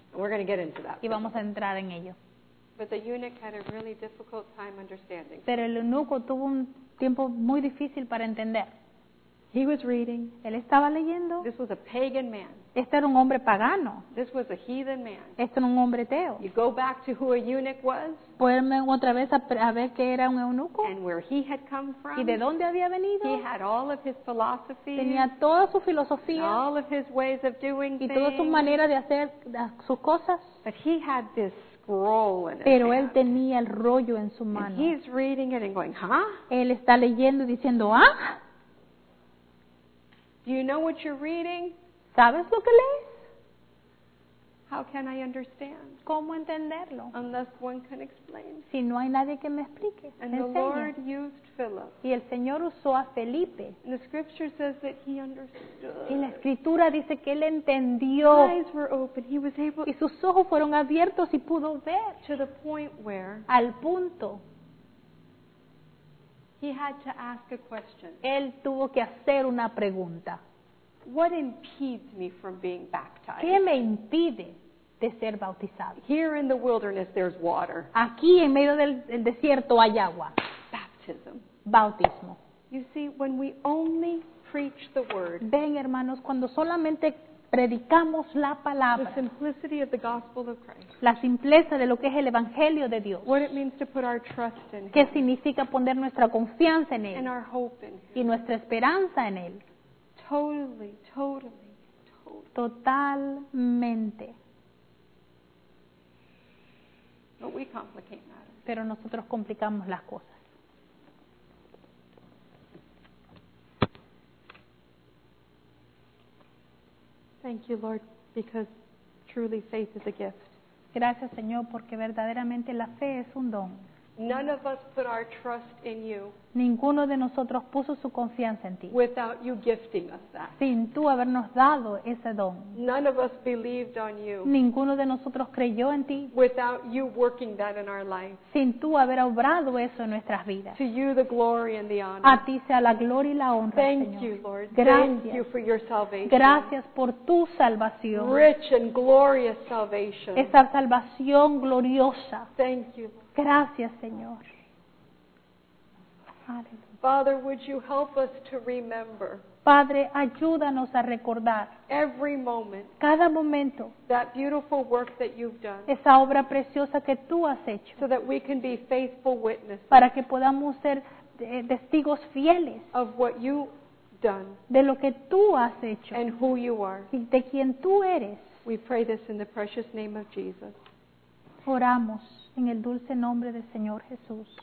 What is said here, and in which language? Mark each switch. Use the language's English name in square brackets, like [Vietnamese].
[English] We're going to get into that. [Spanish] Y vamos a entrar en ello. [English] But the eunuch had a really difficult time understanding. [Spanish] Pero el eunuco tuvo un tiempo muy difícil para entender. [English] He was reading. [Spanish] Él estaba leyendo. [English] This was a pagan man. [Spanish] Este era un hombre pagano. [English] This was a heathen man. [Spanish] Este era un hombre ateo. [English] You go back to who a eunuch was. [Spanish] Ponerme otra vez a ver qué era un eunuco. [English] And where he had come from. [Spanish] Y de dónde había venido. [English] He had all of his philosophies. [Spanish] Tenía toda su filosofía. [English] All of his ways of doing things. [Spanish] Y todas sus maneras de hacer sus cosas. [English] But he had this scroll in his hand. [Spanish] Pero él tenía el rollo en su mano. [English] And he's reading it and going, huh? [Spanish] Él está leyendo y diciendo, ¿ah? [English] Do you know what you're reading? [Spanish] ¿Sabes lo que lees? [English] How can I understand? [Spanish] ¿Cómo entenderlo? [English] Unless one can explain. [Spanish] Si no hay nadie que me explique. [English] And the Lord used Philip. [Spanish] Y el Señor usó a Felipe. [English] And the scripture says that he understood. [Spanish] Y la escritura dice que él entendió. [English] His eyes were open. He was able. [Spanish] Y sus ojos fueron abiertos y pudo ver. [English] To the point where. [Spanish] Al punto. [English] He had to ask a question. [Spanish] Él tuvo que hacer una pregunta. [English] What impedes me from being baptized? [Spanish] ¿Qué me impide de ser bautizado? [English] Here in the wilderness there's water. [Spanish] Aquí en medio del desierto hay agua. [English] Baptism. [Spanish] Bautismo. [English] You see, when we only preach the word. [Spanish] Ven, hermanos, cuando solamente predicamos la palabra. [English] The simplicity of the gospel of Christ. [Spanish] La simpleza de lo que es el evangelio de Dios. [English] What it means to put our trust in. [Spanish] ¿Qué significa poner nuestra confianza en él? [English] And our hope in him. [Spanish] Y nuestra esperanza en él. [English] Totally, totally, totally. [Spanish] Totalmente. [English] But we complicate matters. [Spanish] Pero nosotros complicamos las cosas. [English] Thank you, Lord, because truly faith is a gift. [Spanish] Gracias, Señor, porque verdaderamente la fe es un don. [English] None of us put our trust in you. [Spanish] Ninguno de nosotros puso su confianza en ti. [English] Without you gifting us that. [Spanish] Sin tú habernos dado ese don. [English] None of us believed on you. [Spanish] Ninguno de nosotros creyó en ti. [English] Without you working that in our life. [Spanish] Sin tú haber obrado eso en nuestras vidas. [English] To you the glory and the honor. [Spanish] A ti sea la gloria y la honra, [English] Thank [Spanish] Señor. [English] You, Lord. [Spanish] Gracias. [English] Thank you for your salvation. [Spanish] Gracias por tu salvación. [English] Rich and glorious salvation. [Spanish] Esa salvación gloriosa. [English] Thank you. [Spanish] Gracias, Señor. Aleluya. [English] Father, would you help us to remember? [Spanish] Padre, ayúdanos a recordar [English] every moment, [Spanish] cada momento, [English] that beautiful work that you've done, [Spanish] esa obra preciosa que tú has hecho, [English] so that we can be faithful witnesses, [Spanish] para que podamos ser testigos fieles [English] of what you've done, [Spanish] de lo que tú has hecho, [English] and who you are, [Spanish] y de quien tú eres. [English] We pray this in the precious name of Jesus. [Spanish] Oramos. En el dulce nombre del Señor Jesús.